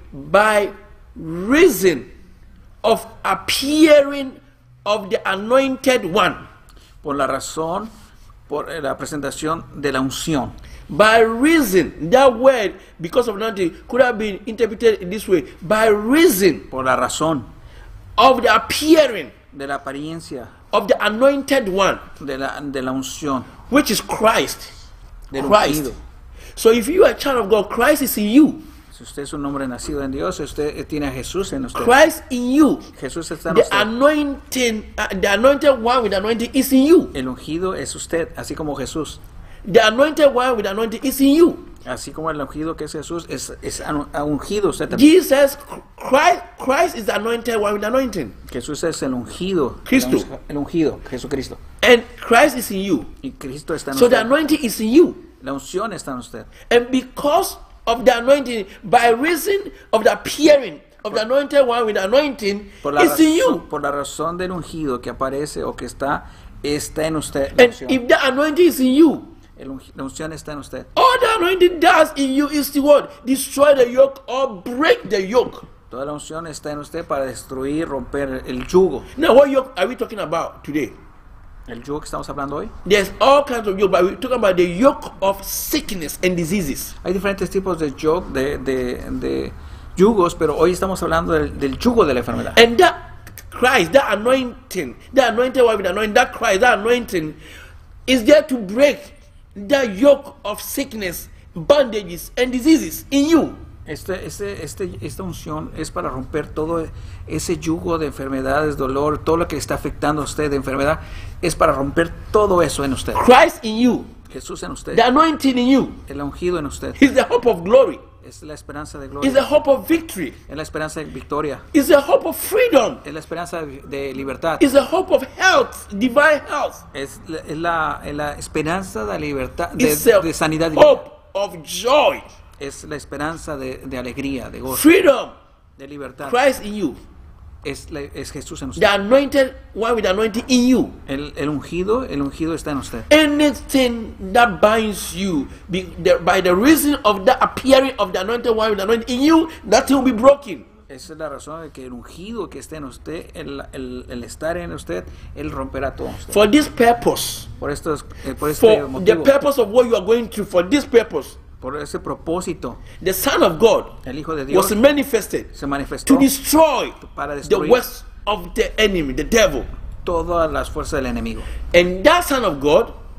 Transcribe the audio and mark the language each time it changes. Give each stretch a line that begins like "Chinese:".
English: By reason of appearing of the anointed one.
Spanish: Por la razón, por la presentación de la unción.
English: By reason, that word, because of anointing, could have been interpreted in this way. By reason.
Spanish: Por la razón.
English: Of the appearing.
Spanish: De la apariencia.
English: Of the anointed one.
Spanish: De la unción.
English: Which is Christ.
Spanish: Del Christ. Ungido.
English: So if you are a child of God, Christ is in you.
Spanish: Si usted es un hombre nacido en Dios, usted tiene a Jesús en usted.
English: Christ in you.
Spanish: Jesús está en
English: the
Spanish: usted.
English: The anointed one with anointing is in you.
Spanish: El ungido es usted, así como Jesús.
English: The anointed one with anointing is in you.
Spanish: Así como el ungido que es Jesús es ungido usted también.
English: Jesus Christ is the anointed one with anointing.
Spanish: Jesús es el ungido. Cristo. El ungido, Jesucristo.
English: And Christ is in you.
Spanish: Y Cristo está en
English: so
Spanish: usted.
English: So the anointing is in you.
Spanish: La unción está en usted.
English: And because of the anointing, by reason of the appearing of the anointed one with anointing, it's in you.
Spanish: Por la razón del ungido que aparece o que está en usted.
English: And if the anointing is in you,
Spanish: la unción está en usted.
English: All the anointing does in you is the word, destroy the yoke or break the yoke.
Spanish: Toda la unción está en usted para destruir, romper el yugo.
English: Now, what yoke are we talking about today?
Spanish: El yugo que estamos hablando hoy.
English: There's all kinds of yoke, but we're talking about the yoke of sickness and diseases.
Spanish: Hay diferentes tipos de yoke, de yugos, pero hoy estamos hablando del yugo de la enfermedad.
English: And that Christ, that anointing, the anointed one with anointing, that Christ, that anointing, is there to break the yoke of sickness, bandages, and diseases in you.
Spanish: Esta unción es para romper todo ese yugo de enfermedades, dolor, todo lo que está afectando a usted de enfermedad, es para romper todo eso en usted.
English: Christ in you.
Spanish: Jesús en usted.
English: The anointing in you.
Spanish: El ungido en usted.
English: He's the hope of glory.
Spanish: Es la esperanza de gloria.
English: It's the hope of victory.
Spanish: Es la esperanza de victoria.
English: It's the hope of freedom.
Spanish: Es la esperanza de libertad.
English: It's the hope of health, divine health.
Spanish: Es la esperanza de libertad, de sanidad divina.
English: Hope of joy.
Spanish: Es la esperanza de alegría, de gozo.
English: Freedom.
Spanish: De libertad.
English: Christ in you.
Spanish: Es Jesús en usted.
English: The anointed one with anointing in you.
Spanish: El ungido está en usted.
English: Anything that binds you by the reason of the appearing of the anointed one with anointing in you, nothing will be broken.
Spanish: Esa es la razón de que el ungido que esté en usted, el estar en usted, él romperá todo. Usted.
English: For this purpose.
Spanish: Por este motivo.
English: The purpose of what you are going through, for this purpose.
Spanish: Por ese propósito,
English: the Son of God,
Spanish: el Hijo de Dios,
English: was manifested,
Spanish: se manifestó,
English: to destroy,
Spanish: para destruir,
English: the works of the enemy, the devil,
Spanish: todas las fuerzas del enemigo.
English: And that Son of God,